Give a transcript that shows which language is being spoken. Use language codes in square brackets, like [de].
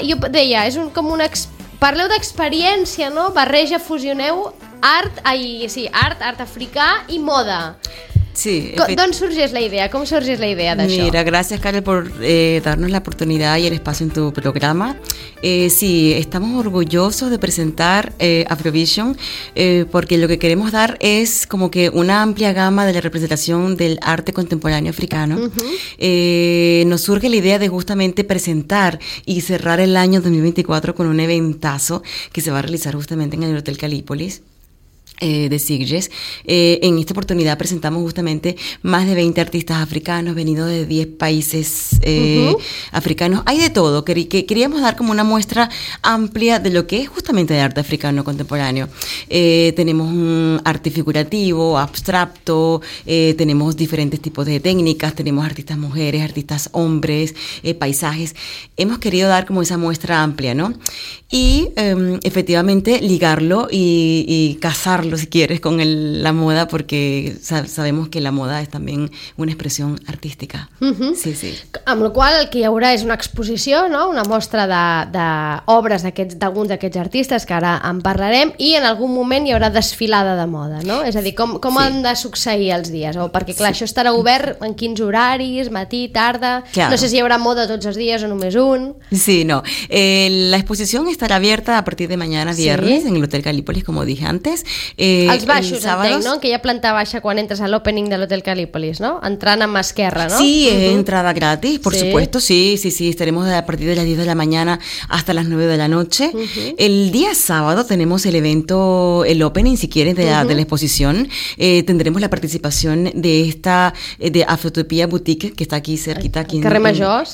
[ca] Jo deia, és un, com un... Parleu d'experiència, no? Barreja, fusioneu art africà i moda. Sí. D'on sorgeix la idea? Com sorgeix la idea d'això? [es] Mira, gràcies, Carol, per darnos l'oportunitat i l'espai en tu programa. Sí, estamos orgullosos de presentar Afrovision porque lo que queremos dar es como que una amplia gama de la representación del arte contemporáneo africano. Uh-huh. Nos surge la idea de justamente presentar y cerrar el año 2024 con un eventazo que se va a realizar justamente en el Hotel Calípolis de Sitges. En esta oportunidad presentamos justamente más de 20 artistas africanos venidos de 10 países uh-huh. africanos. Hay de todo, que queríamos dar como una muestra amplia de lo que es justamente el arte africano contemporáneo. Tenemos un arte figurativo, abstracto, tenemos diferentes tipos de técnicas, tenemos artistas mujeres, artistas hombres, paisajes. Hemos querido dar como esa muestra amplia, ¿no? Y efectivamente ligarlo y cazar si quieres, con la moda, porque sabemos que la moda es también una expresión artística. Uh-huh. Sí, sí. [ca] Amb la qual cosa, el que hi haurà és una exposició, no? Una mostra d'obres d'alguns d'aquests artistes, que ara en parlarem, i en algun moment hi haurà desfilada de moda, no? És a dir, com sí. han de succeir els dies? O perquè, clar, sí. això estarà obert en quins horaris, matí, tarda... [es] Claro. [ca] No sé si hi haurà moda tots els dies o només un... [es] Sí, no. La exposició estarà abierta a partir de mañana, viernes, sí. en l'Hotel Calípolis, com dije antes. [ca] Els baixos, el sábados... entenc, no? Que hi ha planta baixa quan entres a l'opening de l'Hotel Calípolis, no? Entrant amb esquerra, no? [es] Sí, uh-huh. entrada gratis, por sí. supuesto, sí, sí, sí. Estaremos a partir de las 10 de la mañana hasta las 9 de la noche. Uh-huh. El día sábado tenemos el evento, el opening, si quieres, uh-huh. de la exposición. Tendremos la participación de esta, de Afrotopía Boutique, que está aquí cerquita. Aquí Carrer Major, en, sí,